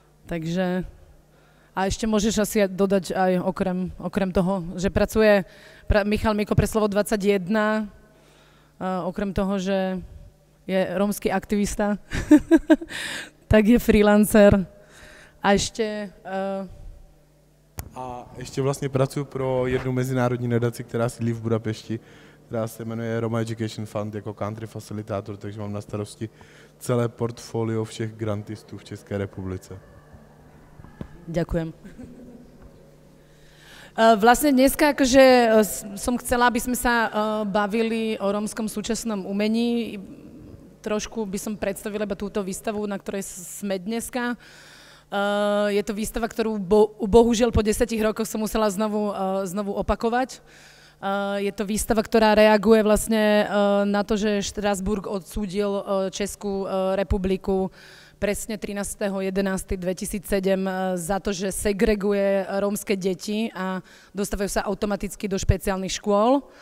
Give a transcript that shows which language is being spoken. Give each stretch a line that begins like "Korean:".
Slovak: Takže, a ešte môžeš asi dodať aj okrem toho, že pracuje Michal Miko pre Slovo 21, okrem toho, že je romský aktivista, tak je freelancer. A ešte...
Czech: A ještě vlastně pracuji pro jednu mezinárodní nadaci, která sídlí v Budapešti, která se jmenuje Roma Education Fund jako country facilitátor, takže mám na starosti celé portfolio všech grantistů v České republice.
Slovak: Děkujem.
Czech: Vlastně dneska, jakože jsem chcela, aby jsme se bavili o romském současném umění,
Slovak: trošku by som
Czech: představila iba tuto výstavu, na které jsme dneska.
Slovak: Je to výstava, ktorú bohužiaľ po 10 rokoch som musela znovu opakovať. Je to výstava, ktorá reaguje vlastne na to, že Štrasburg odsúdil Českú republiku presne 13.11.2007 za to, že segreguje rómske deti a dostávajú sa automaticky do špeciálnych škôl.